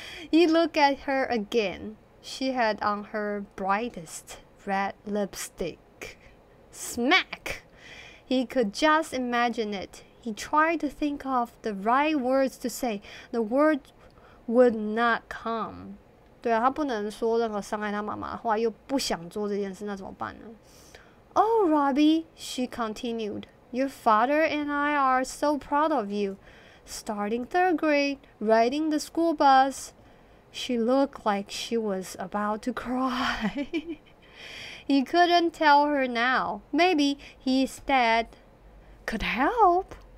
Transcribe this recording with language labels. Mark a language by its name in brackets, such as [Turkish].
[English] You look at her again. She had on her brightest red lipstick. Smack! He could just imagine it. He tried to think of the right words to say. The words would not come. [Chinese] 对啊，他不能说任何伤害他妈妈的话，又不想做这件事，那怎么办呢？ [English] Oh, Robbie, she continued. Your father and I are so proud of you. Starting third grade, riding the school bus. She looked like she was about to cry. He couldn't tell her now. Maybe his dad could help.